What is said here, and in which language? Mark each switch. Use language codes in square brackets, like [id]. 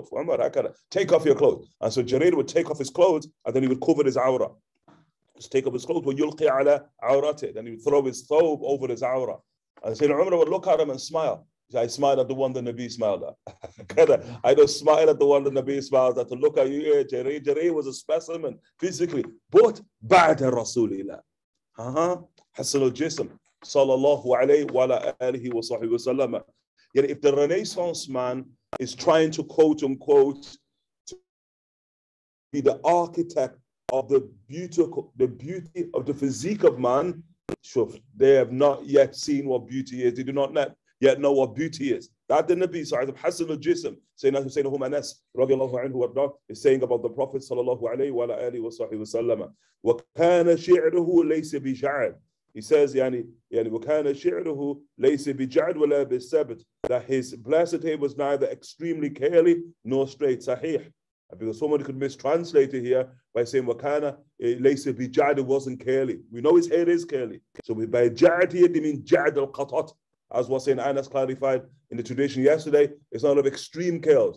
[en] So Umar, take off your clothes. And so Jarir would take off his clothes, and then he would cover his awra. Just take off his clothes, [ar] وَيُلْقِي عَلَى عَوْرَتِهِ. [en] Then he would throw his thawb over his awra. And Sayyidina Umar would look at him and smile. He said, I smile at the one the Nabi smiled at. I don't smile at the one the Nabi smiled at. To look at you, yeah, Jarir, Jarir was a specimen, physically. [ar] But, بَعْدَ رَسُولِ اللَّهِ. Hassan al-Jism, sallallahu alayhi wa alihi wa sahbihi wa sallam. [en] Yet if the Renaissance man is trying to quote unquote to be the architect of the beauty of the physique of man, shuf, they have not yet seen what beauty is. They do not yet know what beauty is. That the Nabi sallallahu alayhi wa sallam, Hassan al-Jism, Sayyidina Humanas, radiallahu anhu wa rah, is saying about the Prophet sallallahu alayhi wa alihi wa sahbihi wa sallam. [ar] وَكَانَ شِعْرُهُ لَيْسَ بِجَعْدِ. [en] He says, [ar] يعني وَكَانَ شِعْرُهُ لَيْسَ بِجَعْدِ وَلَا بِالسَّبْتِ. [en] That his blessed hair was neither extremely curly nor straight. Sahih. Because somebody could mistranslate it here by saying [ar] وَكَانَ لَيْسَ بِجَعْدِ, [en] it wasn't curly. We know his hair is curly. So by جَعْد here, they mean [ar] جَعْد الْقَطَط. [en] As was saying, Anas clarified in the tradition yesterday, it's not of extreme curls.